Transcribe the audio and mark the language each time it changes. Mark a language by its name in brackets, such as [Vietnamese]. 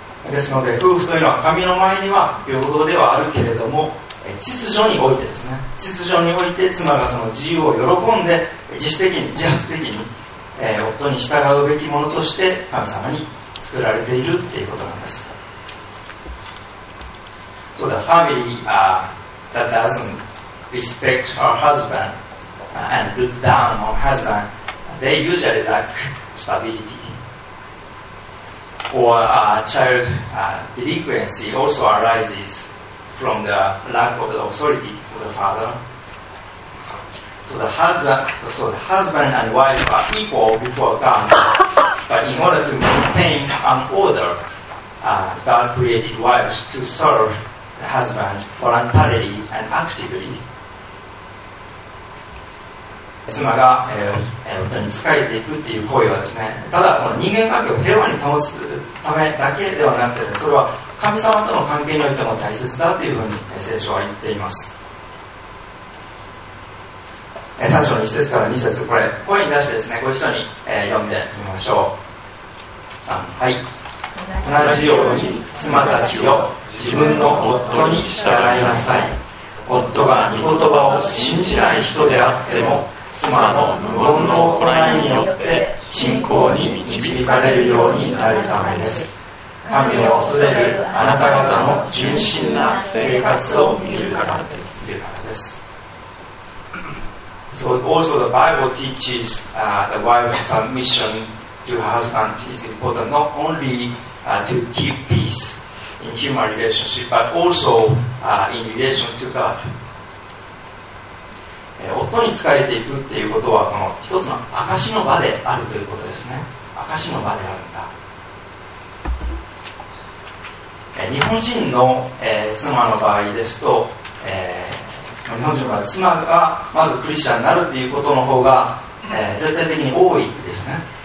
[Japanese] ですので夫婦というのは神の前には平等ではあるけれども、秩序においてですね、秩序において妻がその自由を喜んで自主的に自発的に、夫に従うべきものとして神様に作られているっていうことなんです。 [English] So the family that doesn't respect her husbandand look down on husband, they usually lack stability. Or child delinquency also arises from the lack of the authority of the father. So the husband and wife are equal before God, but in order to maintain an order, God created wives to serve the husband voluntarily and actively. [Japanese] 妻が、夫に仕えていくっていう行為はですね、ただこの人間関係を平和に保つためだけではなくて、それは神様との関係においても大切だというふうに聖書は言っています。 3章の1節から2節、これ声に出してですね、ご一緒に、読んでみましょう。 3、はい。同じように妻たちを自分の夫に従いなさい。夫が御言葉を信じない人であっても、妻の無言の行いによって信仰に導かれるようになるためです。神を恐れるあなた方の純真な生活を見るからです。 [English] So also the Bible teaches the wife's submission to her husband is important not only to keep peace in human relationship but also in relation to God。 [Japanese] 夫に仕えていくっていうことはこの一つの証の場であるということですね。証の場であるんだ。日本人の、妻の場合ですと、日本人は妻がまずクリスチャンになるっていうことの方が、絶対的に多いですね。